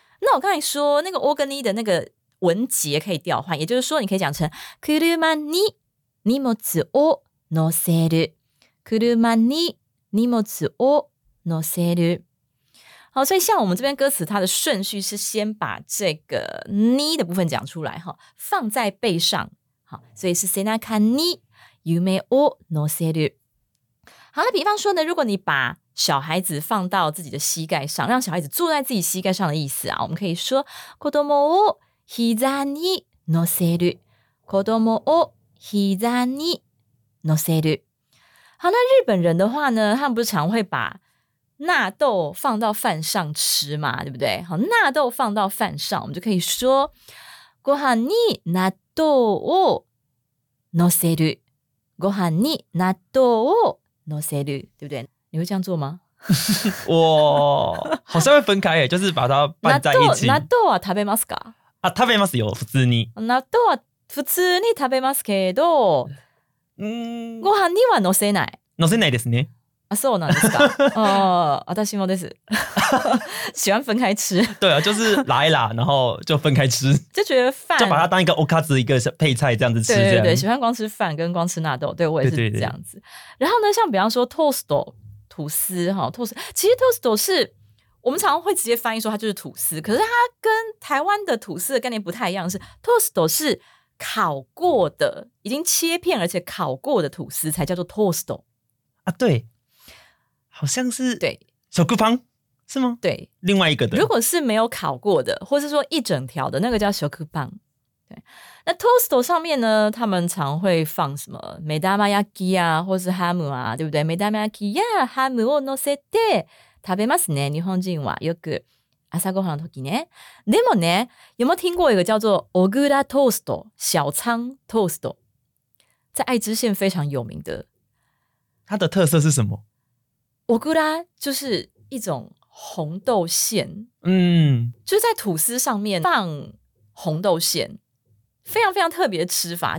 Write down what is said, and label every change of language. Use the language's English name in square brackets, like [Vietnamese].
[Chinese] 那我刚才说那个お跟你的那个文节可以调换，也就是说你可以讲成 [Japanese] 車に荷物を乗せる。車に荷物を乗せる。 [Chinese] 好，所以像我们这边歌词，它的顺序是先把这个“你”的部分讲出来，放在背上。好，所以是 [Japanese] 背中に夢を乗せる。 [Chinese] 好，那比方说呢，如果你把小孩子放到自己的膝盖上，让小孩子坐在自己膝盖上的意思啊，我们可以说 [Japanese] 子供を膝に乗せる。子供を膝に乗せる。 [Chinese] 好，那日本人的话呢，他们不是常会把纳豆放到饭上吃嘛，对不对？好，纳豆放到饭上，我们就可以说 [Japanese] ご飯に納豆を乗せる。ご飯に納豆を乗せる， [Chinese] 对不对？你会这样做吗？我好像会分开耶，就是把它拌在一起。 [Japanese] 納豆は食べますか？啊，食べますよ、普通に。納豆は普通に食べますけど。ご飯には乗せない。乗せないですね。啊，そうなんですか。私もです。 [Chinese] 喜欢分开吃。对啊，就是来啦，然后就分开吃。就觉得饭就把它当一个おかず一个配菜这样子吃。对对对，喜欢光吃饭跟光吃纳豆，对我也是这样子。对对对。然后呢，像比方说 toast 吐司哈 ，toast 其实 toast 是我们常常会直接翻译说它就是吐司，可是它跟台湾的吐司的概念不太一样，是 toast 是烤过的，已经切片而且烤过的吐司才叫做 toast 啊，对，好像是对手工方是吗？对，另外一个的，如果是没有烤过的，或是说一整条的那个叫手工方。对，那 toast 上面呢，他们常会放什么梅达玛亚基啊，或是 ham 啊，对不对？ [Japanese] 梅达玛亚基呀 ，ham を乗せて食べますね。日本人はよく朝ごはんの時ね。でもね、 [Chinese] 有没有听过一个叫做オグラトースト、小仓トースト，在爱知县非常有名的。它的特色是什么？オグラ就是一种红豆馅，就是在吐司上面放红豆馅，非常非常特别的吃法。